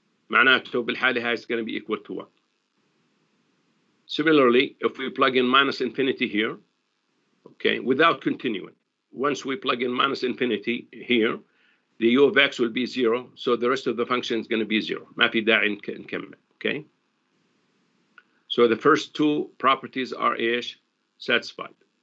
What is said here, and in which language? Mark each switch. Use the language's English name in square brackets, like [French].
[Arabic] معناته بالحالة هاي [English] is going to be equal to 1. Similarly, if we plug in minus infinity here, okay, without continuing, once we plug in minus infinity here, the u of x will be 0, so the rest of the function is going to be 0. [Arabic] ما في داعي نكمل, okay? [English] So the first two properties are satisfied.